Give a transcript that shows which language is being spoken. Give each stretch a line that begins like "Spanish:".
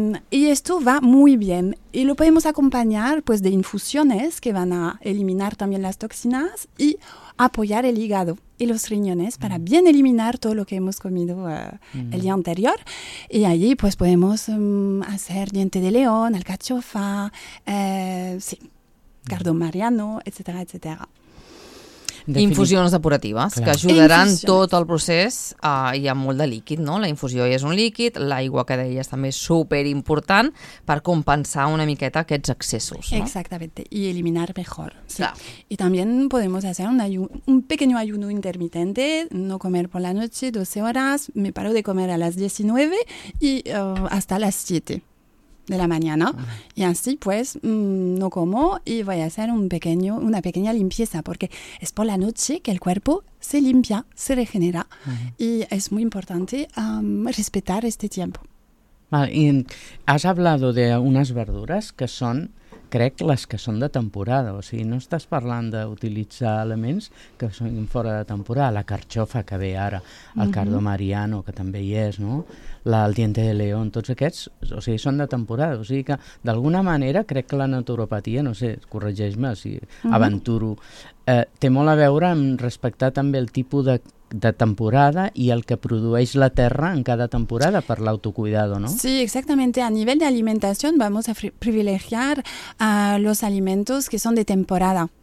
Spanish: Y esto va muy bien. Y lo podemos acompañar pues, de infusiones que van a eliminar también las toxinas y apoyar el hígado y los riñones para bien eliminar todo lo que hemos comido el día anterior. Y allí pues, podemos hacer diente de león, alcachofa, sí, cardo mariano, etcétera, etcétera.
Catalan: Infusions depuratives, clar, que ajudaran infusions. Tot el procés, hi ha molt de líquid, no? La infusió ja és un líquid, l'aigua que deies també és superimportant per compensar una miqueta aquests excessos. No? Exactament, i eliminar
Spanish: mejor. Sí.
Catalan: I també podem fer
Spanish: un pequeño ayuno intermitente, no comer por la noche 12 horas, me paro de comer a las 19 y hasta las 7. De la mañana, y así pues no como y voy a hacer una pequeña limpieza, porque es por la noche que el cuerpo se limpia, se regenera, y es muy importante respetar este tiempo. Vale, y has hablado de unas verduras que son,
Catalan: crec, les que són de temporada, o sigui, no estàs parlant d'utilitzar elements que són fora de temporada, la carxofa que ve ara, el cardo mariano que també hi és, no? El diente de león, tots aquests, o sigui, són de temporada, o sigui que d'alguna manera crec que la naturopatia, no sé, corregeix-me si aventuro, té molt a veure amb respectar també el tipus de temporada y el que produeix la terra en cada temporada per l'autocuidado, ¿no?
Spanish: Sí, exactamente. A nivel de alimentación vamos a privilegiar los alimentos que son de temporada.